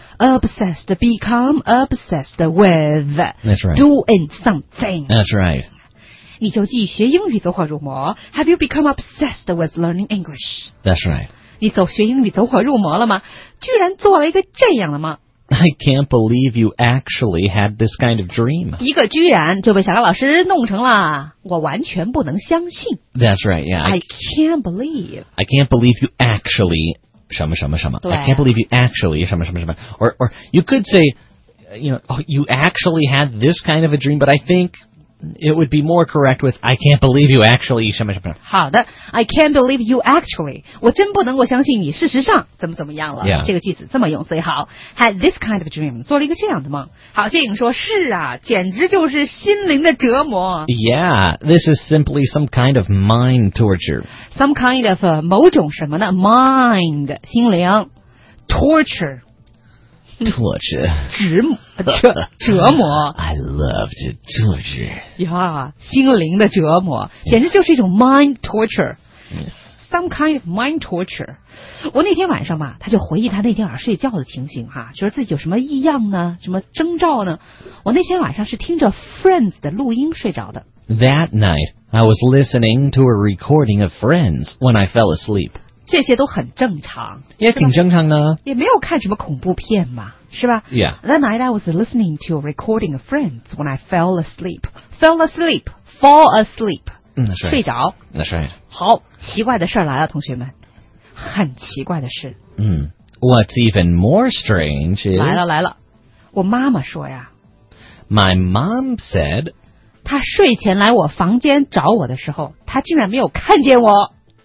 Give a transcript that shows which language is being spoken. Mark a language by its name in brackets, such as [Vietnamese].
[English] Obsessed, become obsessed with. That's right. Doing something. That's right. [Chinese] 你就继续学英语走火入魔 [English] Have you become obsessed with learning English? That's right [Chinese] 你走学英语走火入魔了吗居然做了一个这样了吗 [English] I can't believe you actually had this kind of dream [Chinese] 一个居然就被小高老师弄成了我完全不能相信 [English] That's right, yeah I can't believe I can't believe you actually [Chinese] 什么什么什么 [English] I can't believe you actually 什么什么什么 or you could say you know,、oh, you actually had this kind of a dream but I thinkIt would be more correct with I can't believe you actually 什么什么 [Chinese] 好的 [English] I can't believe you actually [Chinese] 我真不能够相信你事实上怎么怎么样了、 yeah. 这个句子这么用最好 [English] Had this kind of dream [Chinese] 做了一个这样的梦好谢颖说是啊简直就是心灵的折磨 [English] Yeah This is simply some kind of mind torture Some kind of [Chinese] 某种什么呢 [English] Mind 心灵 Torture Torture. [Chinese] 折磨 [English] I love to torture. [Chinese] Yeah, 心灵的折磨简直就是一种 [English] mind torture. Some kind of mind torture. [Chinese] 我那天晚上嘛他就回忆他那天晚上睡觉的情形哈觉得自己有什么异样呢什么征兆呢我那天晚上是听着 Friends 的录音睡着的。 [English] That night, I was listening to a recording of Friends when I fell asleep. [Chinese] 这些都很正常。也挺正常的。也没有看什么恐怖片嘛。是吧？Yeah. [English] That night I was listening to a recording of Friends when I fell asleep. Fell asleep, fall asleep. [Chinese] 嗯，是。睡着。那是。好，奇怪的事儿来了，同学们。很奇怪的事。 [English] 嗯。What's even more strange is [Chinese] 来了来了。我妈妈说呀。 [English] My mom said. [Chinese] 她睡前来我房间找我的时候，她竟然没有看见我。